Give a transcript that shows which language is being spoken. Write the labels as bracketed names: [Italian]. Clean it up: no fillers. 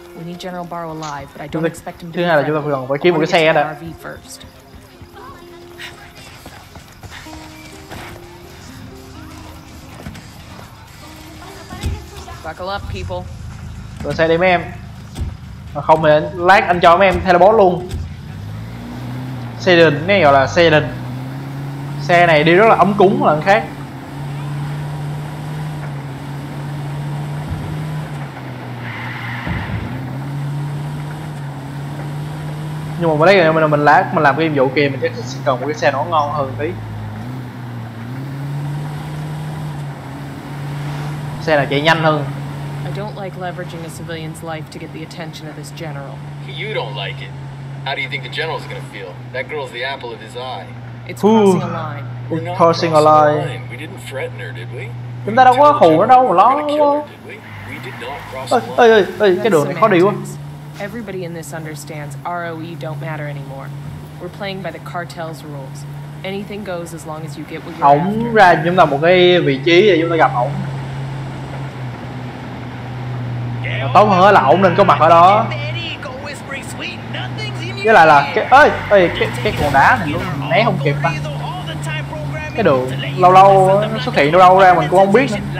[English] We need General Barrow alive, but I don't expect him to. [Vietnamese] Thứ hai là chúng ta phải cần phải kiếm một cái xe đã. Buckle up, people. Rồi xe đi mấy em. Mà không thì lát anh cho mấy em teleport luôn. Xe đình, cái gọi là xe đình. Xe này đi rất là ấm cúng lần khác. Nhưng mà lấy mình lát mình làm cái nhiệm vụ kia mình chắc sẽ cần một cái xe nó ngon hơn tí. Xe này chạy nhanh hơn. [English] I don't like leveraging a civilian's life to get the attention of this general. You don't like it. How do you think the general's gonna feel? That girl's the apple of his eye. It's crossing a line. We're crossing a line. We didn't threaten her, did we? [Vietnamese] Chúng ta đâu có hù nó đâu mà lo. [English] We did not cross a line. [Vietnamese] Ê, cái đường này khó đi quá. [English] Everybody in this understands ROE don't matter anymore. We're playing by the cartel's rules. Anything goes as long as you get what you're after. [Vietnamese] Ổng ra chúng ta một cái vị trí để chúng ta gặp ổng. Tốt hơn là ổng nên có mặt ở đó. Với lại là cái cái cục đá này nó né không kịp ta. Cái đường lâu lâu xuất hiện đâu đâu ra mình cũng không biết.